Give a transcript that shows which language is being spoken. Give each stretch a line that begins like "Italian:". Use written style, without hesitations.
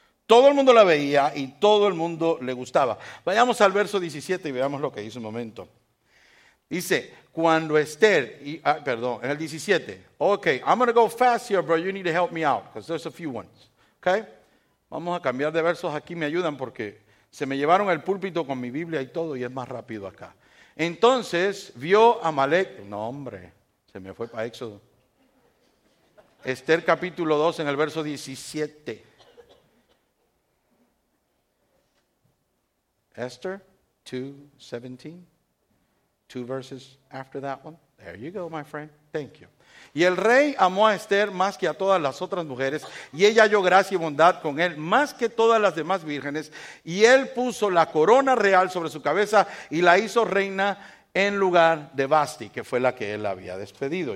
Spanish: Todo el mundo la veía y todo el mundo le gustaba. Vayamos al verso 17 y veamos lo que dice un momento. Dice, cuando Esther, en el 17.
English: Okay, I'm going to go fast here, but you need to help me out, because there's a few ones.
Spanish: Okay, vamos a cambiar de versos aquí, me ayudan, porque se me llevaron el púlpito con mi Biblia y todo, y es más rápido acá. Entonces, vio a Amalek, no hombre, se me fue para Éxodo. Esther capítulo 2 en el verso 17.
English: Esther 2:17, two verses after that one. There you go, my friend. Thank you.
Spanish: Y el rey amó a Esther más que a todas las otras mujeres, y ella halló gracia y bondad con él más que todas las demás vírgenes, y él puso la corona real sobre su cabeza y la hizo reina en lugar de Vastí, que fue la que él había despedido.